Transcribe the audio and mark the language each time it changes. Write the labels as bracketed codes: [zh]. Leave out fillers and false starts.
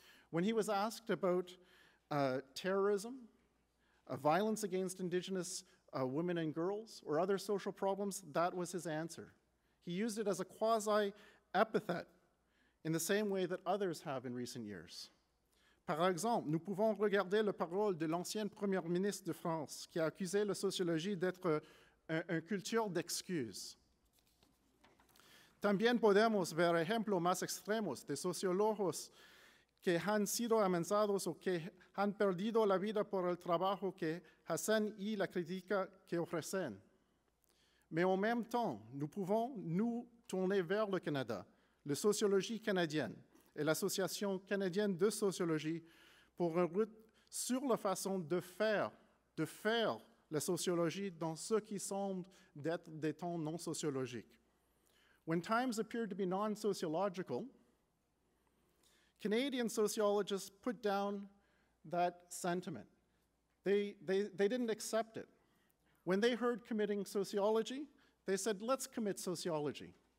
[en] When he was asked about terrorism, violence against Indigenous women and girls, or other social problems, that was his answer. He used it as a quasi-epithet in the same way that others have in recent years. [fr] Par exemple, nous pouvons regarder la parole de l'ancienne première ministre de France qui a accusé la sociologie d'être une culture d'excuses. [es] También podemos ver ejemplos más extremos de sociólogos que han sido amenazados o que han perdido la vida por el trabajo que hacen y la crítica que ofrecen. [fr] Mais en même temps, nous pouvons nous tourner vers le Canada, la sociologie canadienne, et l'Association canadienne de sociologie pour un route sur la façon de faire la sociologie dans ce qui semble d'être des temps non sociologiques. [en] When times appear to be non-sociological, Canadian sociologists put down that sentiment. They didn't accept it. When they heard committing sociology, they said, let's commit sociology.